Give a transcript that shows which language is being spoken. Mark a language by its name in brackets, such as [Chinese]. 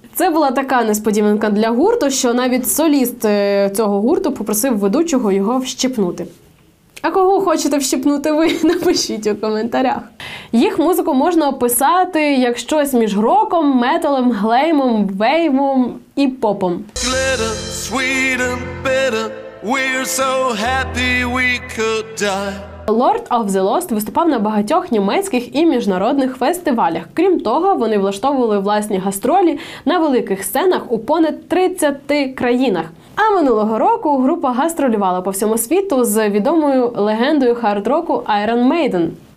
[Ukrainian] Це була така несподіванка для гурту, що навіть соліст цього гурту попросив ведучого його вщипнути. А кого хочете вщипнути ви, напишіть у коментарях. Їх музику можна описати як щось між роком, металом, глеймом, вейвом і попом. [English] Glitter, sweet and bitter, we're so happy we could die. [Ukrainian] Lord of the Lost виступав на багатьох німецьких і міжнародних фестивалях. Крім того, вони влаштовували власні гастролі на великих сценах у понад 30 країнах. А минулого року група гастролювала по всьому світу з відомою легендою хард-року Iron Maiden.